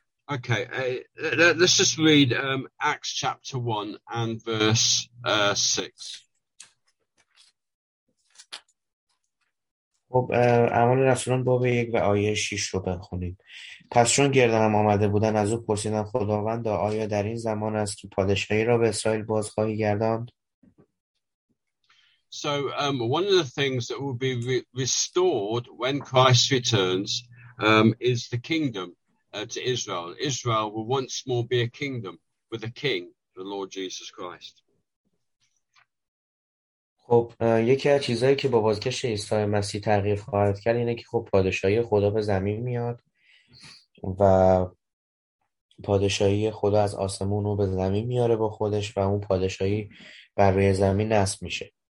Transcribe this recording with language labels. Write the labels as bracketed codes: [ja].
[en] Okay, let's just read Acts chapter 1 and verse 6. [fa] خب اعمال رسولان باب 1 و آیه 6 رو بخونید. پس چون گرد هم آمده بودن از او پرسیدن خداوند آیا در این زمان است که پادشاهی را به اسرائیل باز خواهی گرداند؟ [en] So one of the things that will be restored when Christ returns is the kingdom to Israel. Israel will once more be a kingdom with a king, the Lord Jesus Christ. [fa] خب یکی از چیزهایی که با بازگشت عیسی مسیح تغییر خواهد کرد اینه که خب پادشاهی خدا به زمین میاد و پادشاهی خدا از آسمون رو به زمین میاره با خودش و اون پادشاهی بر روی زمین نصب میشه.